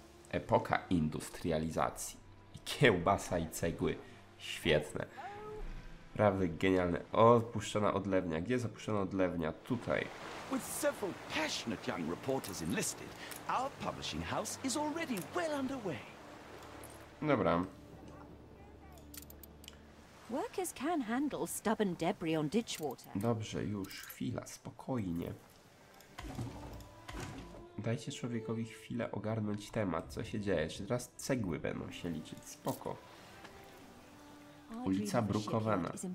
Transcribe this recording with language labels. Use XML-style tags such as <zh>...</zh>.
<pl>Epoka industrializacji. I kiełbasa i cegły. Świetne. Prawdy genialne. O, opuszczona odlewnia. Gdzie jest opuszczona odlewnia? Tutaj.</pl> <en>With several passionate young reporters enlisted, our publishing house is already well underway.</en> <pl>Dobra.</pl> <en>Workers can handle stubborn debris on ditch water.</en> <pl>Dobrze, już chwila, spokojnie. Dajcie człowiekowi chwilę ogarnąć temat, co się dzieje. Czy teraz cegły będą się liczyć? Spoko. Ulica brukowana.</pl>